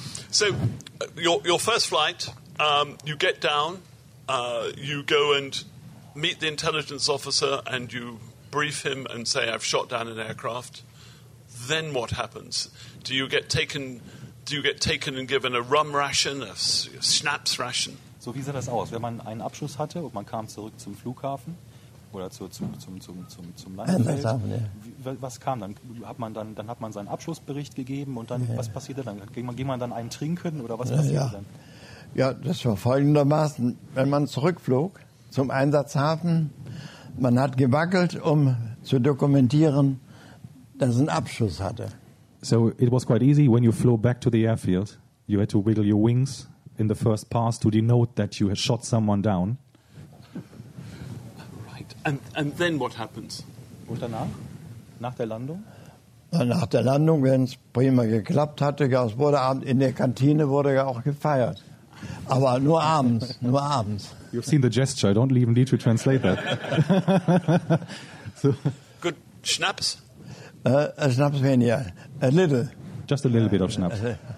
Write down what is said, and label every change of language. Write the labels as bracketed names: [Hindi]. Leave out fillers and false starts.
[English] So, your first flight, you get down, you go and meet the intelligence officer and you brief him and say, I've shot down an aircraft. Then what happens? Do you get taken and given a rum ration, a schnapps ration? [German] So wie sah das aus? Wenn man einen Abschuss hatte und man kam zurück zum Flughafen oder zum Landefeld, was kam dann? Hat man seinen Abschlussbericht gegeben und dann, was passierte dann? Ging man dann einen trinken oder was passierte dann? Ja, das war folgendermaßen. Wenn man zurückflog zum Einsatzhafen, man hat gewackelt, um zu dokumentieren, dass ein Abschuss hatte. [English] So it was quite easy. When you flew back to the airfield, you had to wiggle your wings in the first pass to denote that you had shot someone down. Right. And then what happens? [German] Und danach? Nach der Landung? Nach der Landung, wenn es prima geklappt hatte, es wurde abends in der Kantine wurde ja auch gefeiert. Aber nur abends, nur abends. [English] You've seen the gesture. I don't even need to translate that. So. Good. Schnaps? A schnaps wenig, yeah. A little. Just a little bit of schnaps.